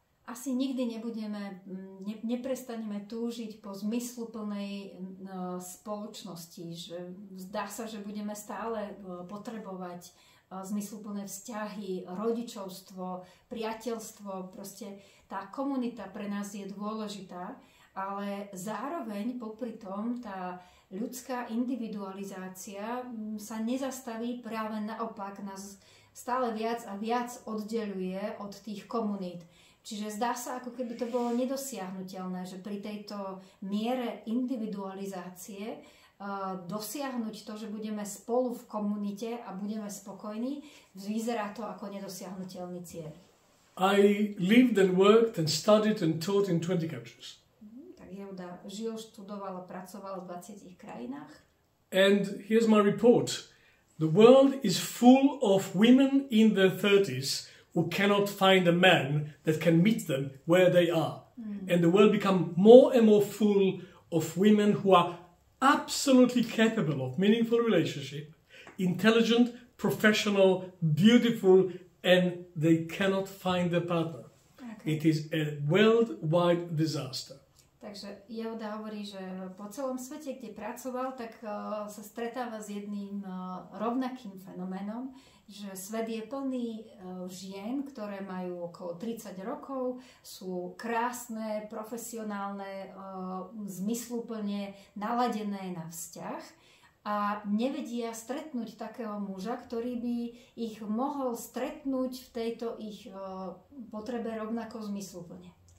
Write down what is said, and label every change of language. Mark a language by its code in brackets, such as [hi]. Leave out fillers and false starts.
[sk] Asi nikdy nebudeme, neprestaneme túžiť po zmysluplnej spoločnosti, že zdá sa, že budeme stále potrebovať zmysluplné vzťahy, rodičovstvo, priateľstvo, proste tá komunita pre nás je dôležitá, ale zároveň popri tom tá ľudská individualizácia sa nezastaví, práve naopak nás stále viac a viac oddeľuje od tých komunít. Čiže zdá sa, ako keby to bolo nedosiahnuteľné, že pri tejto miere individualizácie dosiahnuť to, že budeme spolu v komunite a budeme spokojní, vyzerá to ako nedosiahnuteľný cieľ. [en] I lived and worked and studied and taught in 20 countries. [sk] Tak Jehuda žil, študoval a pracoval v 20 krajinách. [en] And here's my report. The world is full of women in their 30s who cannot find a man that can meet them where they are. Mm. And the world become more and more full of women who are absolutely capable of meaningful relationship, intelligent, professional, beautiful, and they cannot find their partner. Okay. It is a worldwide disaster. [sk] Takže Jehuda hovorí, že po celom svete, kde pracoval, tak sa stretáva s jedným rovnakým fenoménom, že svet je plný žien, ktoré majú okolo 30 rokov, sú krásne, profesionálne, zmysluplne naladené na vzťah a nevedia stretnúť takého muža, ktorý by ich mohol stretnúť v tejto ich potrebe rovnako zmysluplne.